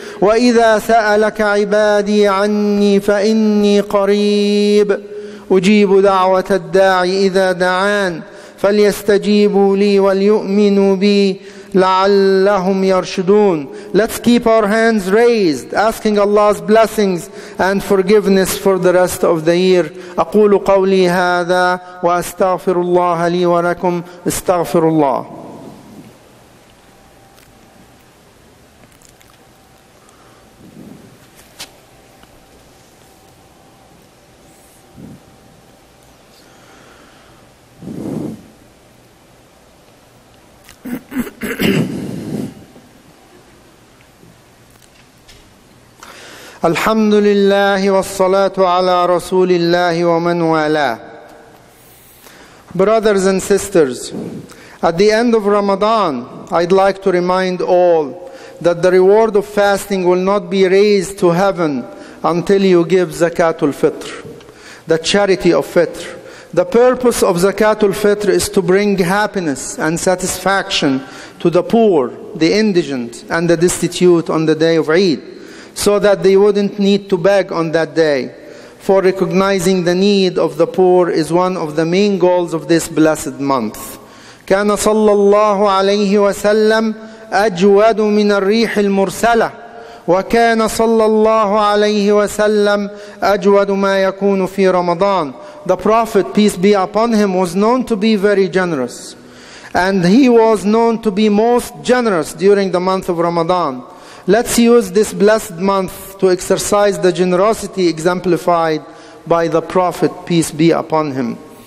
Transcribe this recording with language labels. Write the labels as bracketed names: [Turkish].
[Arabic] وَإِذَا سَأَلَكَ عِبَادِي عَنِّي فَإِنِّي قَرِيبٌ أُجِيبُ دَعْوَةَ الدَّاعِ إِذَا دَعَانِ فَلْيَسْتَجِيبُوا لِي وَلْيُؤْمِنُوا بِي لَعَلَّهُمْ يَرْشُدُونَ. [English] Let's keep our hands raised, asking Allah's blessings and forgiveness for the rest of the year. [Arabic] أقول قولي هذا وأستغفر الله لي ولكم. استغفر الله. الحمد لله والصلاة على رسول الله ومن والاه. [English] Brothers and sisters, at the end of Ramadan, I'd like to remind all that the reward of fasting will not be raised to heaven until you give Zakatul Fitr, the charity of Fitr. The purpose of Zakatul Fitr is to bring happiness and satisfaction to the poor, the indigent, and the destitute on the day of Eid, so that they wouldn't need to beg on that day. For recognizing the need of the poor is one of the main goals of this blessed month. [Arabic] كان صلى الله عليه وسلم أجود من الريح المرسلة وكان صلى الله عليه وسلم أجود ما يكون في رمضان. [English] The Prophet, peace be upon him, was known to be very generous, and he was known to be most generous during the month of Ramadan. Let's use this blessed month to exercise the generosity exemplified by the Prophet, peace be upon him.